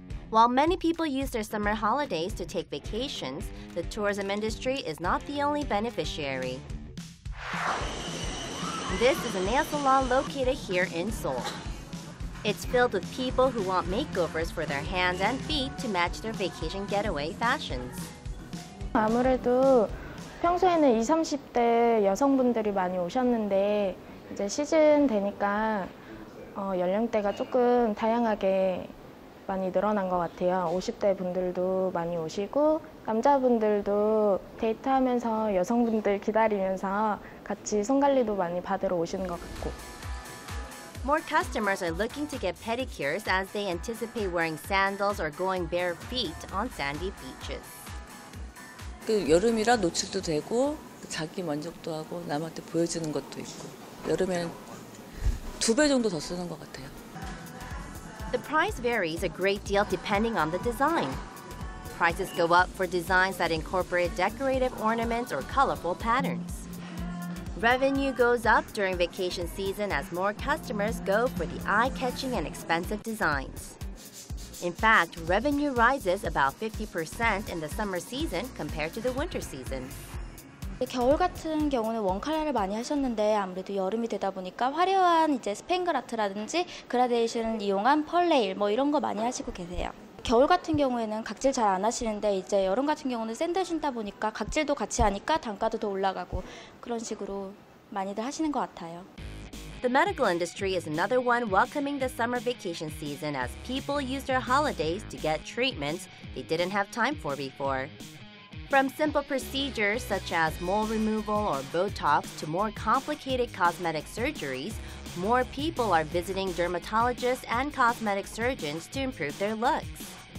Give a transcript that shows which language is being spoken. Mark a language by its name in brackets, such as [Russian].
[English] While many people use their summer holidays to take vacations, the tourism industry is not the only beneficiary. This is a nail salon located here in Seoul. It's filled with people who want makeovers for their hands and feet to match their vacation getaway fashions. [Korean] 아무래도 평소에는 20, 30대 여성분들이 많이 오셨는데 이제 시즌 되니까 연령대가 조금 다양하게 많이 늘어난 것 같아요. 50대 분들도 많이 오시고 남자분들도 데이트하면서 여성분들 기다리면서 같이 손관리도 많이 받으러 오시는 것 같고. [English] More customers are looking to get pedicures as they anticipate wearing sandals or going bare feet on sandy beaches. [Korean] 그 여름이라 노출도 되고 자기 만족도 하고 남한테 보여주는 것도 있고 여름에는 두 배 정도 더 쓰는 것 같아요. [English] The price varies a great deal depending on the design. Prices go up for designs that incorporate decorative ornaments or colorful patterns. Revenue goes up during vacation season as more customers go for the eye-catching and expensive designs. In fact, revenue rises about 50% in the summer season compared to the winter season. [Korean] 겨울 같은 경우는 원칼라를 많이 하셨는데 아무래도 여름이 되다 보니까 화려한 이제 스팽글아트라든지 그라데이션을 이용한 펄레일 뭐 이런 거 많이 하시고 계세요. 겨울 같은 경우에는 각질 잘 안 하시는데 이제 여름 같은 경우는 샌들 신다 보니까 각질도 같이 하니까 단가도 더 올라가고 그런 식으로 많이들 하시는 것 같아요. [English] The medical industry is another one welcoming the summer vacation season as people use their holidays to get treatments they didn't have time for before. From simple procedures such as mole removal or Botox to more complicated cosmetic surgeries, more people are visiting dermatologists and cosmetic surgeons to improve their looks.